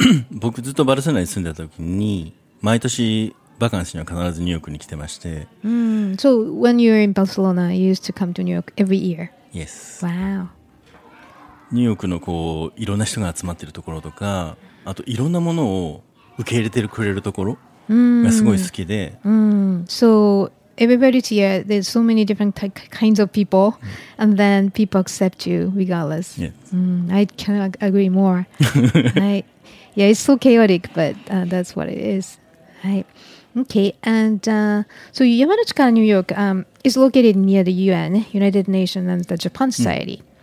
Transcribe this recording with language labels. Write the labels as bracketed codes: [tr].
[ja] 僕ずっとバルセロナに住んでた時に、毎年バカンスには必ずニューヨークに来てまして。 [en] So when you were in Barcelona, you used to come to New York every year? Yes. Wow. [ja] ニューヨークのこういろんな人が集まってるところとか、あといろんなものを受け入れてくれるところがすごい好きで、 [en] So everybody here, there's so many different kinds of people, and then people accept you regardless. Yes. I cannot agree more. Yeah, it's so chaotic, but that's what it is. Okay, and so Yamada Chikara, New York, is located near the UN, United Nations, and the Japan Society.